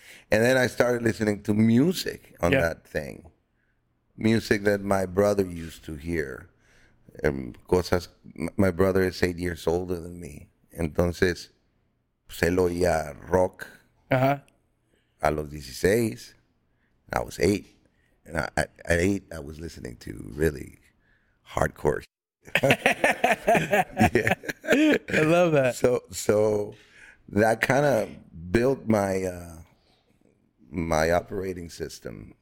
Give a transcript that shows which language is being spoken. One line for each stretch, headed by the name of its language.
English: And then I started listening to music on that thing. Music that my brother used to hear. And cosas, my brother is 8 years older than me.
Spanish: Entonces, se lo oía rock a los 16.
English: I was 8. And at 8, I was listening to really hardcore shit. I love that. So that kind of built my my operating system.